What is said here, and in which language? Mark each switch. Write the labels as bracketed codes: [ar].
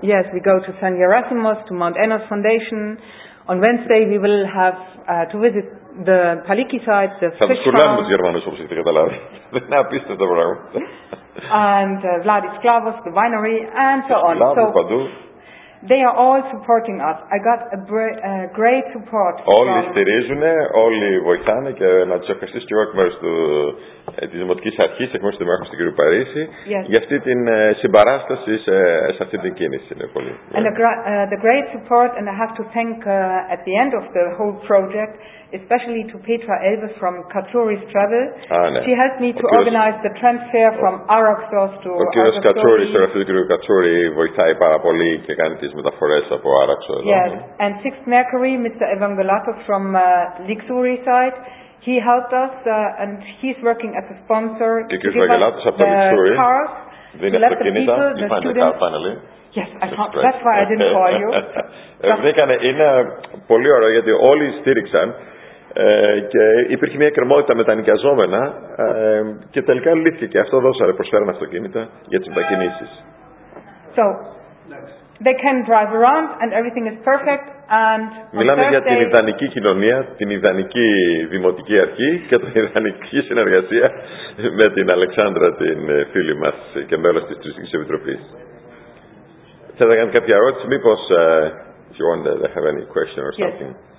[en] Yes, we go to San Gerasimos, to Mount Enos Foundation. On Wednesday we will have to visit the Paliki site, the fish farm. [el] Θα τους Γερμανούς, όπως έχετε καταλάβει. Δεν είναι απίστευτο πράγμα. [en] And Vladis Klavos, the winery, and so on. So [el] παντού. [en] They are all supporting us. I got a great support. [el] Όλοι στηρίζουν, όλοι βοηθάνε και να τους ευχαριστήσω και εγώ εκ μέρους της Δημοτικής Αρχής, εκ μέρους του Δημάρχου του κ. Παρίση, για αυτή την συμπαράσταση σε αυτή την κίνηση. Είναι πολύ. [en] And the great support, and I have to thank at the end of the whole project, especially to Petra Elvis from Katsouris Travel. [el] Ναι. [en] She helped me to organize the transfer from Araxos to Argostoli. [el] Ο κύριος Κατσούρης, ο γραφείος του κ. Κατσούρη, βοηθάει πάρα πολύ και κάνει τις μεταφορές από Άραξο. [en] Yes, and Sixth Mercury, Mr. Evangelatos from Lixouri site, he helped us and he's working as a sponsor to give us the cars, to let the people, the students. Yes, that's why I didn't call you. [el] Βρήκανε, είναι πολύ ωραίο γιατί όλοι στήριξαν και υπήρχε μια εκκρεμότητα με τα νοικιαζόμενα και τελικά λύθηκε και αυτό δώσανε, προσφέραν αυτοκίνητα για τις μετακινήσεις. [en] So, they can drive around and everything is perfect. And [el] μιλάμε για την ιδανική κοινωνία, την ιδανική δημοτική αρχή και την ιδανική συνεργασία με την Αλεξάνδρα, την φίλη μας και μέλος της Τουριστικής Επιτροπής. Θα ήθελα να κάνω κάποια ερώτηση, μήπως [en] if you want to have any question or something.